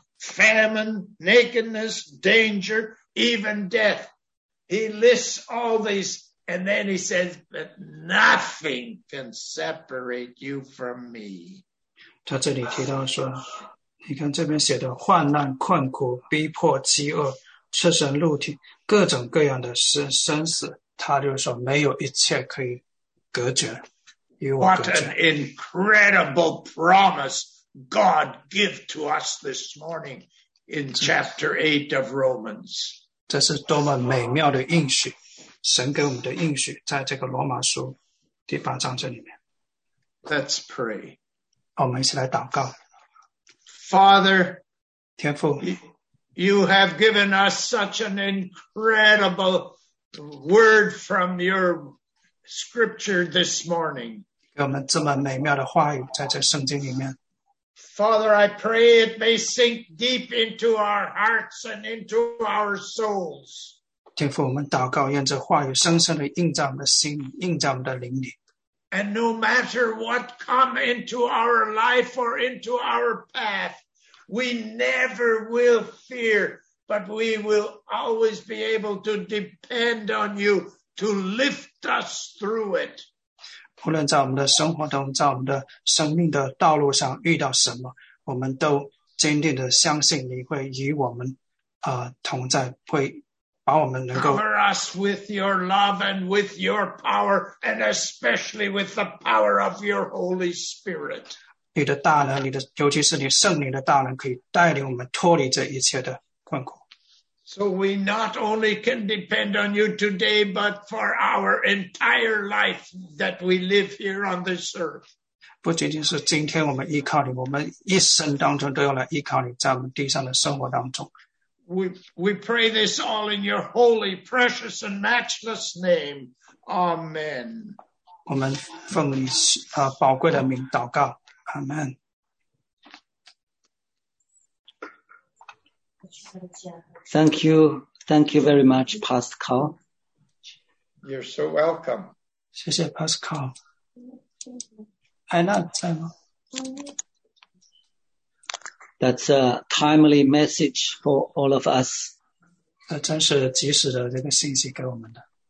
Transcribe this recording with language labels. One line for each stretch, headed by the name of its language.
English: famine, nakedness, danger, even death. He lists all these, and then he says, but nothing can separate you from me.
Chinese: 他这里提到说，你看这边写的患难、困苦、逼迫、饥饿、赤身露体，各种各样的生死，他就说没有一切可以隔绝与我隔绝。
English: What an incredible promise God gives to us this morning in chapter 8 of Romans.
Chinese: 这是多么美妙的应许，神给我们的应许，在这个罗马书第八章这里面。
English: Let's pray.
Chinese: 我们一起来祷告。
English: Father,
Chinese: 天父,
English: you have given us such an incredible word from your scripture this morning.
Chinese: 给我们这么美妙的话语在这圣经里面。
English: Father, I pray it may sink deep into our hearts and into our souls.
Chinese: 天父，我们祷告，愿这话语深深地印在我们的心里，印在我们的灵里。
English: And no matter what come into our life or into our path, we never will fear, but we will always be able to depend on you to lift us through it.
Chinese: 无论在我们的生活中，在我们的生命的道路上遇到什么，我们都坚定地相信你会与我们同在，会把我们能够
English: cover us with your love and with your power, and especially with the power of your Holy Spirit.
Chinese: 你的大能，你的尤其是你圣灵的大能，可以带领我们脱离这一切的困苦。
English: So we not only can depend on you today, but for our entire life that we live here on this earth.
Chinese: 不仅仅是今天我们依靠你，我们一生当中都要来依靠你，在我们地上的生活当中。
English: We pray this all in your holy, precious, and matchless name. Amen.
Chinese: 我们奉你宝贵的名祷告。
English: Amen.
Chinese: 谢谢。
English: Thank you very much, Pastor Carl. You're so welcome.
Chinese: 谢谢 Pastor Carl. 安娜在吗？
English: That's a timely message for all of us.
Chinese: 那真是及时的这个信息给我们的。